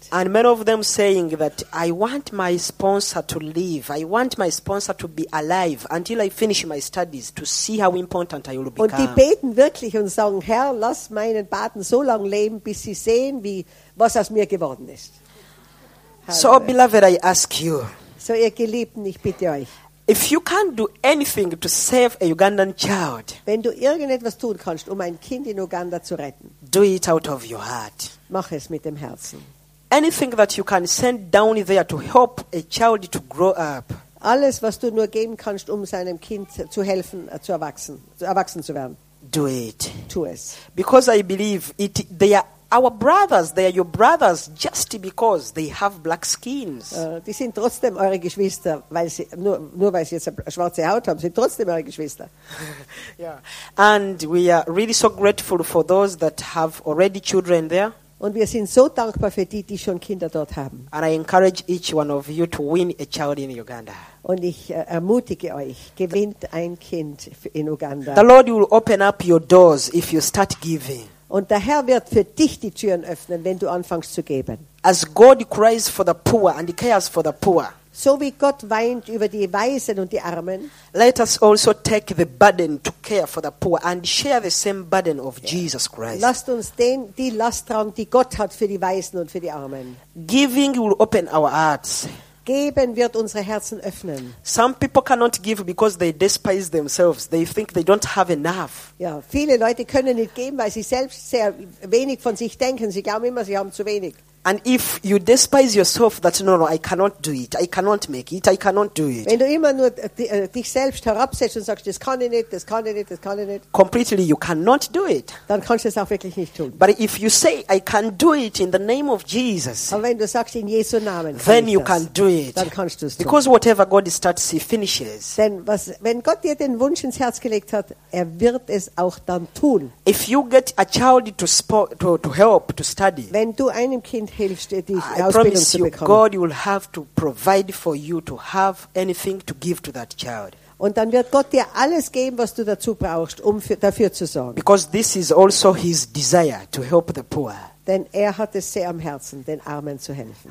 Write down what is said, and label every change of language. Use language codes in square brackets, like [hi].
[en] And many of them saying that I want my sponsor to live. I want my sponsor to be alive until I finish my studies to see how important I will become. [de] Und die beten wirklich und sagen, Herr, lass meinen Paten so lange leben, bis sie sehen, wie was aus mir geworden ist. [en] So, beloved, I ask you. [de] So, ihr Geliebten, ich bitte euch. [en] If you can't do anything to save a Ugandan child, [de] wenn du irgendetwas tun kannst, um ein Kind in Uganda zu retten, [en] do it out of your heart. [de] Mach es mit dem Herzen. [en] Anything that you can send down there to help a child to grow up. [de] Alles, was du nur geben kannst, um seinem Kind zu helfen, zu erwachsen zu werden. [en] Do it. [de] Tu es. [en] Because I believe it. They are our brothers. They are your brothers, just because they have black skins. [de] Die sind trotzdem eure Geschwister, weil sie nur weil sie jetzt eine schwarze Haut haben, sind trotzdem eure Geschwister. [en] Yeah. And we are really so grateful for those that have already children there. [de] Und wir sind so dankbar für die, die schon Kinder dort haben. [en] And I encourage each one of you to win a child in Uganda. [de] Und ich ermutige euch, gewinnt ein Kind in Uganda. [en] The Lord will open up your doors if you start giving. [de] Und der Herr wird für dich die Türen öffnen, wenn du anfängst zu geben. [en] As God cries for the poor and cares for the poor. [de] So wie Gott weint über die Weisen und die Armen. [en] Let us also take the burden to care for the poor and share the same burden of Jesus Christ. [de] Lasst uns die Last tragen, die Gott hat für die Weisen und für die Armen. [en] Giving will open our hearts. [de] Geben wird unsere Herzen öffnen. [en] Some people cannot give because they despise themselves. They think they don't have enough. [de] Ja, viele Leute können nicht geben, weil sie selbst sehr wenig von sich denken. Sie glauben immer, sie haben zu wenig. [en] And if you despise yourself, that no, I cannot do it. I cannot make it. I cannot do it. [de] Wenn du immer nur dich selbst herabsetzt und sagst, das kann ich nicht. [en] Completely, you cannot do it. [de] Dann kannst du es auch wirklich nicht tun. [en] But if you say, I can do it in the name of Jesus. [de] Aber wenn du sagst, in Jesu Namen, [en] then you can do it. [de] Dann kannst du es tun. [en] Because whatever God starts, he finishes. [de] Denn was, wenn Gott dir den Wunsch ins Herz gelegt hat, er wird es auch dann tun. [en] If you get a child to help to study. [de] Wenn du einem Kind hilft, die [en] I promise you, God will have to provide for you to have anything to give to that child. [de] Und dann wird Gott dir alles geben, was du dazu brauchst, um dafür zu sorgen. [en] Because this is also his desire to help the poor. [de] Denn er hat es sehr am Herzen, den Armen zu helfen.